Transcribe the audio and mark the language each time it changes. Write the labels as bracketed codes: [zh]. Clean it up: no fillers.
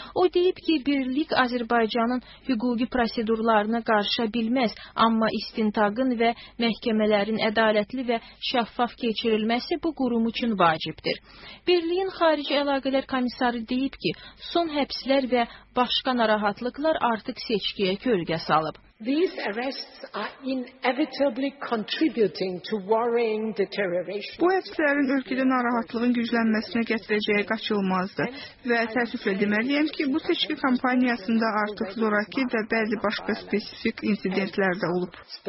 [az] O deyib ki, birlik Azərbaycanın hüquqi prosedurlarına qarışa bilməz, amma istintaqın və məhkəmələrin ədalətli və şəffaf keçirilməsi bu qurum üçün vacibdir. Birliyin Xarici Əlaqələr Komissarı deyib ki, son həbslər və başqa narahatlıqlar artıq seçkiyə kölgə salıb. [en] These arrests are inevitably contributing to worrying deterioration. [az] Bu həbslərin ölkədə narahatlığın güclənməsinə gətirəcəyi qaçılmazdır və təəssüflə deməliyəm ki, bu seçki kampaniyasında artıq zorakı və bəzi başqa spesifik insidentlər də olub.